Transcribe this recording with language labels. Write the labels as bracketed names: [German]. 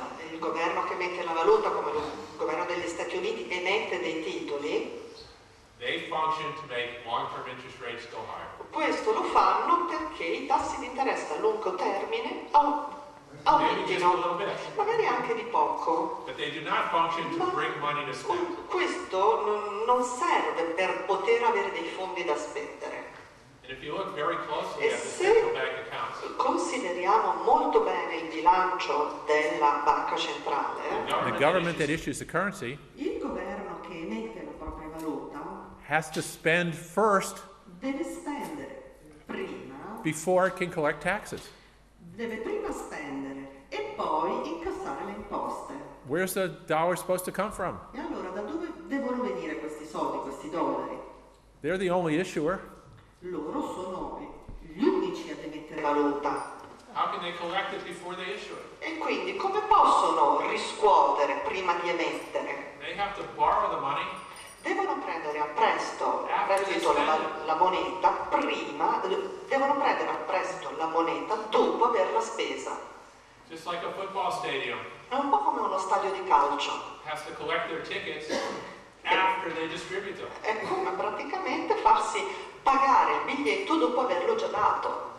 [Italian] il governo che emette la valuta, come il governo degli Stati Uniti, emette dei titoli, [English] they function to make long-term interest rates go higher. [Italian] Questo lo fanno perché i tassi di interesse a lungo termine aumentino, magari anche di poco. [English] But they do not function to bring money to spend. [Italian] Questo non serve per poter avere dei fondi da spendere. [English] If you look very closely [Italian] e [English] at the central bank accounts, [Italian] consideriamo molto bene il bilancio della banca centrale, [English] the government that issues the currency, [Italian] il governo che emette la propria valuta, [English] has to spend first, [Italian] deve spendere prima, [English] before it can collect taxes. [Italian] Deve prima spendere e poi incassare le imposte. [English] Where's the dollar supposed to come from? [Italian] E allora da dove devono venire questi soldi, questi dollari? [English] They're the only issuer. [Italian] Loro sono gli unici ad emettere valuta. [English] How can they collect it before they issue it? [Italian] E quindi come possono riscuotere prima di emettere? [English] They have to borrow the money. [Italian] Devono prendere a prestito la moneta prima, devono prendere a prestito la moneta dopo averla spesa. [English] Just like a football stadium. [Italian] È un po' come uno stadio di calcio. [English] Has to collect their tickets after they distribute them. [Italian] È come praticamente farsi pagare il biglietto dopo averlo già dato.